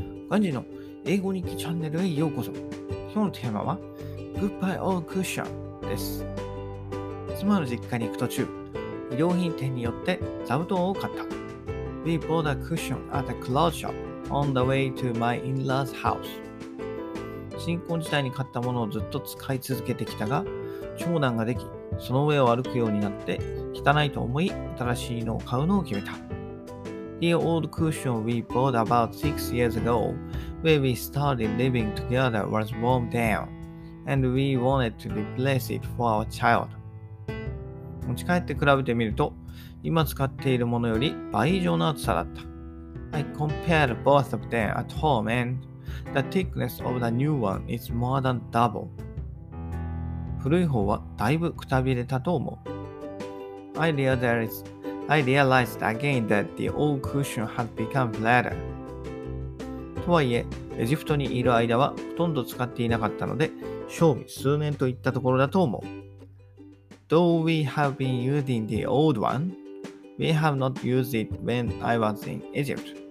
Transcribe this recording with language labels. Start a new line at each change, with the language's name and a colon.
Japanese: ガンジーの英語日記チャンネルへようこそ。今日のテーマは
English: Goodbye or Kusha
Japanese: です。妻の実家に行く途中、衣料品店によって座布団を買った。
English: We bought a cushion at the cloth shop on the way to my in-law's house.
Japanese: 新婚時代に買ったものをずっと使い続けてきたが、長男ができ、その上を歩くようになって汚いと思い、新しいのを買うのを決めた。
English: The old cushion we bought about 6 years ago, when we started living together, was worn down, and we wanted to replace it for our child.
Japanese: 持ち帰って比べてみると、今使っているものより倍以上の厚さだった。
English: I compared both of them at home, and the thickness of the new one is more than double.
Japanese: 古い方はだいぶくたびれたと思う。
English: I realized again that the old cushion had become flatter.
Japanese: とはいえ、エジプトにいる間はほとんど使っていなかったので、賞味数年といったところだと思う。
English: Though we have been using the old one, we have not used it when I was in Egypt.